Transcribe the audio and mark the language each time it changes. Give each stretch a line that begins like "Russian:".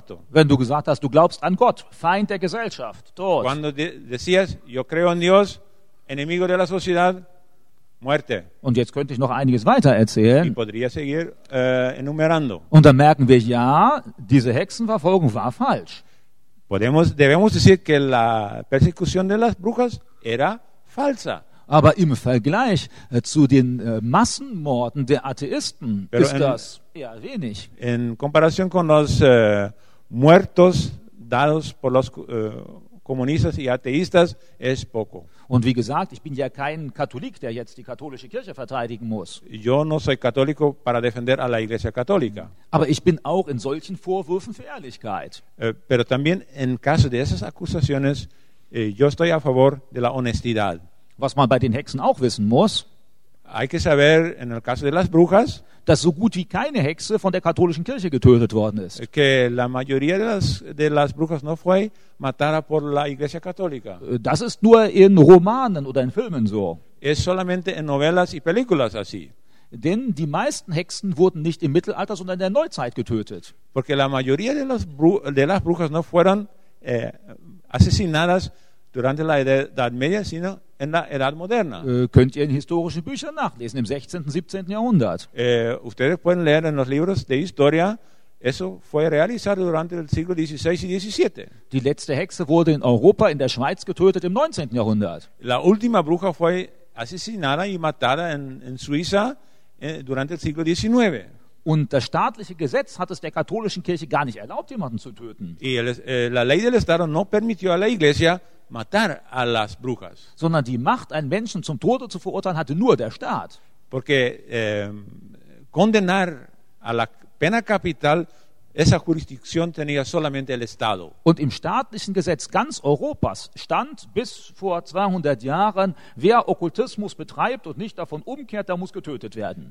German: Wenn du gesagt hast, du glaubst an Gott, Feind der Gesellschaft, tot.
Spanish: Cuando decías, yo creo en Dios, enemigo de la sociedad, muerte.
German: Und jetzt könnte ich noch einiges weiter erzählen.
Spanish: Y podría seguir, enumerando.
German: Und dann merken wir, ja, diese Hexenverfolgung war falsch.
Spanish: Debemos decir que la persecución de las brujas era falsa.
German: Aber im Vergleich zu den Massenmorden der Atheisten
Spanish: Pero
German: ist das eher wenig.
Spanish: En comparación con los muertos dados por los comunistas y ateístas es poco.
German: Und wie gesagt, ich bin ja kein Katholik, der jetzt die katholische Kirche verteidigen muss.
Spanish: Yo no soy católico para defender a la Iglesia Católica.
German: Aber ich bin auch in solchen Vorwürfen für Ehrlichkeit.
Spanish: Pero también en caso de esas acusaciones yo estoy a favor de la honestidad.
German: Was man bei den Hexen auch wissen muss,
Spanish: hay que saber, en el caso de las brujas,
German: dass so gut wie keine Hexe von der katholischen Kirche getötet worden ist.
Spanish: Que la mayoría de las brujas no fue matada por la Iglesia Católica.
German: Das ist nur in Romanen oder in Filmen so.
Spanish: Es solamente en novelas y películas así.
German: Denn die meisten Hexen wurden nicht im Mittelalter, sondern in der Neuzeit getötet.
Spanish: Porque la mayoría de las brujas no fueron asesinadas durante la Edad Media, sino en la Edad Moderna.
German: Könnt ihr in historischen Büchern nachlesen, im 16. 17. Jahrhundert.
Spanish: Ustedes pueden leer en los libros de historia, eso fue realizado durante el siglo XVI y XVII.
German: Die letzte Hexe wurde in Europa, in der Schweiz, getötet im 19. Jahrhundert.
Spanish: La última bruja fue asesinada y matada en Suiza durante el siglo XIX.
German: Und das staatliche Gesetz hat es der katholischen Kirche gar nicht erlaubt, jemanden zu töten.
Spanish: Y la ley del Estado no permitió a la Iglesia matar a las brujas.
German: Sondern die Macht, einen Menschen zum Tode zu verurteilen, hatte nur der Staat.
Spanish: Porque condenar a la pena capital, esa jurisdicción tenía solamente el Estado.
German: Und im staatlichen Gesetz ganz Europas stand bis vor 200 Jahren, wer Okkultismus betreibt und nicht davon umkehrt, der muss getötet werden.